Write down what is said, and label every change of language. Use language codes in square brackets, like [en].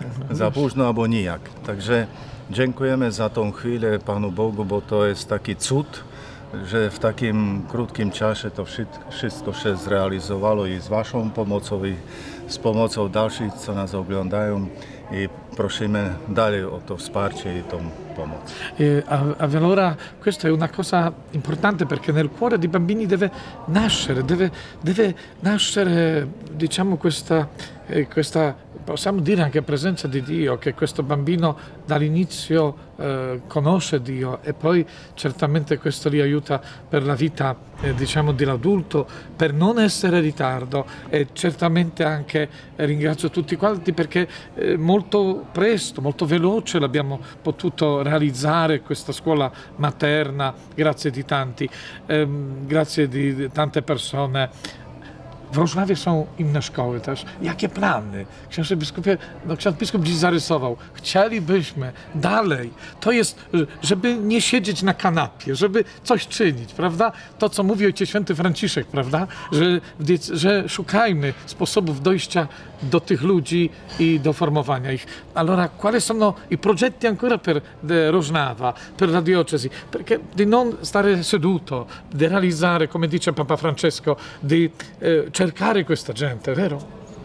[pl] Za późno albo nijak. Także dziękujemy za tą chwilę Panu Bogu, bo to jest taki cud, że w takim krótkim czasie to wszystko się zrealizowało i z Waszą pomocą i z pomocą dalszych, co nas oglądają. I prosimy dalej o to wsparcie i tą pomoc. [it] A allora, questa è una cosa importante, perché nel cuore dei bambini deve nascere, diciamo, questa possiamo dire anche presenza di Dio, che questo bambino dall'inizio conosce Dio, e poi certamente questo li aiuta per la vita, diciamo, dell'adulto, per non essere in ritardo. E certamente anche ringrazio tutti quanti, perché molto presto, molto veloce l'abbiamo potuto realizzare, questa scuola materna, grazie di tanti, grazie di tante persone. [pl] W Rožnavie są inne szkoły też. Jakie plany? Ksiądz biskup dziś zarysował. Chcielibyśmy dalej. To jest, żeby nie siedzieć na kanapie, żeby coś czynić, prawda? To, co mówi ojciec święty Franciszek, prawda? Że szukajmy sposobów dojścia do tych ludzi i do formowania ich. [it] Allora, quali sono i progetti ancora per Rožnava, per la diocesi? Perché di non stare seduto, di realizzare, come dice Papa Francesco, di cercare questa gente, vero?